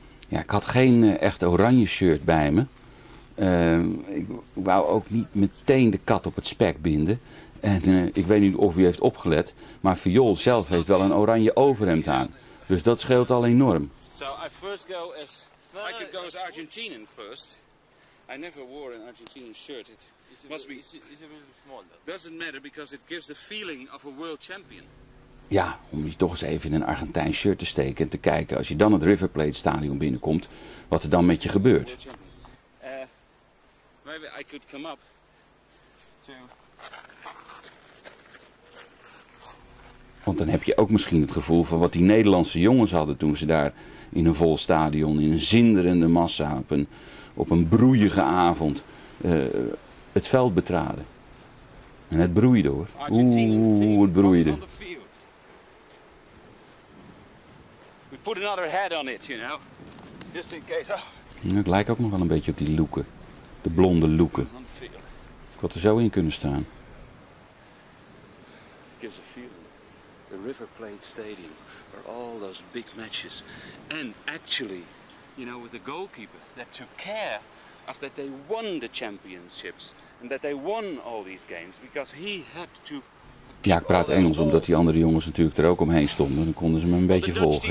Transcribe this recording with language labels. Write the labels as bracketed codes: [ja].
[nl] Ja, ik had geen echt oranje shirt bij me. Ik wou ook niet meteen de kat op het spek binden. En ik weet niet of u heeft opgelet, maar Viool zelf heeft wel een oranje overhemd aan. Dus dat scheelt al enorm. [en] So I first go as like it goes Argentinian first. I never wore an Argentinian shirt. It must be is a little small. Doesn't matter because it gives the feeling of a world champion. [nl] Ja, om je toch eens even in een Argentijn shirt te steken en te kijken als je dan het River Plate stadion binnenkomt, wat er dan met je gebeurt. [en] Maybe I could come up to... [nl] Want dan heb je ook misschien het gevoel van wat die Nederlandse jongens hadden toen ze daar in een vol stadion, in een zinderende massa, op een broeiige avond het veld betraden. En het broeide hoor. Oeh, het broeide. [en] Put another head on it, you know. Just in case. Oh. [nl] Ja, ik lijk ook nog wel een beetje op die Loeken. De blonde Loeken. Ik had er zo in kunnen staan. [en] Gives a feeling. The River Plate Stadium. Where all those big matches. And actually, you know, with the goalkeeper that took care of that they won the championships. And that they won all these games. Because he had to. [nl] Ja, ik praat Engels omdat die andere jongens natuurlijk er ook omheen stonden. Dan konden ze me een beetje volgen.